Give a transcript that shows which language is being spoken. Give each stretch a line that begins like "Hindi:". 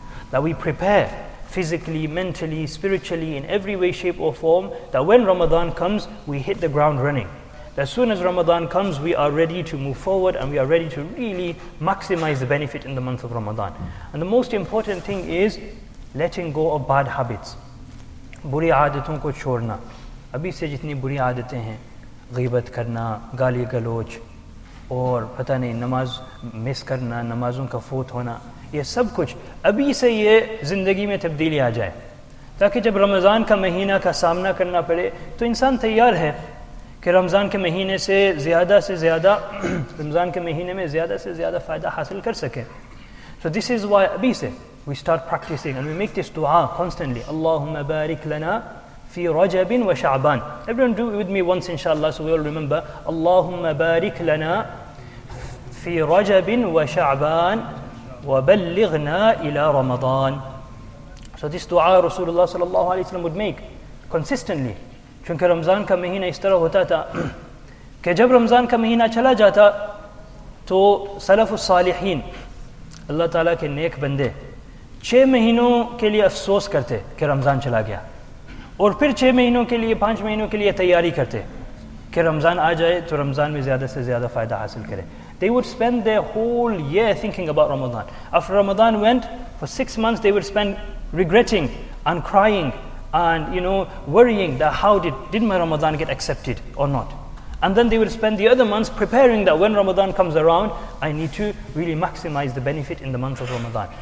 English: That we prepare physically, mentally, spiritually, in every way, shape or form, that when Ramadan comes, we hit the ground running. That as soon as Ramadan comes, we are ready to move forward and we are ready to really maximize the benefit in the month of Ramadan. And the most important thing is letting go of bad habits.
Urdu: Buri aadaton ko chhodna. Abhi se jitni buri aadatein hain, ghibat karna, gali galoch, اور پتہ نہیں نماز مس کرنا نمازوں کا فوت ہونا یہ سب کچھ ابھی سے یہ زندگی میں تبدیلی آ جائے تاکہ جب رمضان کا مہینہ کا سامنا کرنا پڑے تو انسان تیار ہے کہ رمضان کے مہینے سے زیادہ سے زیادہ رمضان کے مہینے میں زیادہ سے زیادہ فائدہ حاصل کر سکے
English: So this is why
Urdu: ابھی سے
English: we start practicing and we make this dua constantly
Arabic: اللہم بارک لنا في رجب وشعبان.
English: Everyone do it with me once inshallah so we all remember.
Arabic: اللهم بارك لنا في رجب وشعبان وبلغنا إلى رمضان.
English: So this dua Rasulullah sallallahu alayhi wa sallam would make consistently.
Urdu: چونکہ رمضان کا مہینہ اس طرح ہوتا تھا کہ جب رمضان کا مہینہ چلا جاتا تو سلف الصالحین اللہ تعالیٰ کے نیک بندے 6 مہینوں کے لئے افسوس کرتے کہ رمضان چلا گیا اور پھر 6 مہینوں کے لیے 5 مہینوں کے لیے تیاری کرتے کہ رمضان آ جائے تو رمضان میں زیادہ سے زیادہ فائدہ حاصل کرے
English: They would spend their whole year thinking about Ramadan. After Ramadan went, for 6 months they would spend regretting and crying and, you know, worrying that how did my Ramadan get accepted or not. And then they would spend the other months preparing that when Ramadan comes around, I need to really maximize the benefit in the month of Ramadan.